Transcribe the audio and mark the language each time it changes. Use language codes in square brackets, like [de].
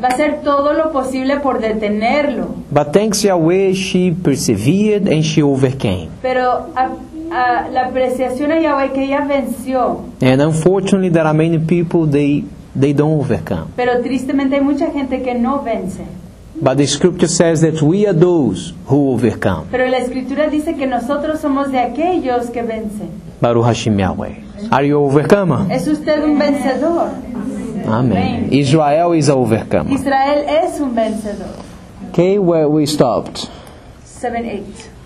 [es] Va a hacer todo lo posible por detenerlo. [en] But thanks Yahweh, she persevered and she overcame. [es] Pero la apreciación a Yahweh que ella venció. [en] And unfortunately, there are many people they don't overcome. [es] Pero tristemente hay mucha gente que no vence. [en] But the scripture says that we are those who overcome. [es] Pero la escritura dice que nosotros somos de aquellos que vencen. [he] Baruch Hashem Yahweh. [en] Are you an overcomer? [es] ¿Es usted un vencedor? [en] Amen. Israel is an overcomer. [es] Israel es un vencedor. [en] Okay, where we stopped? 7:8.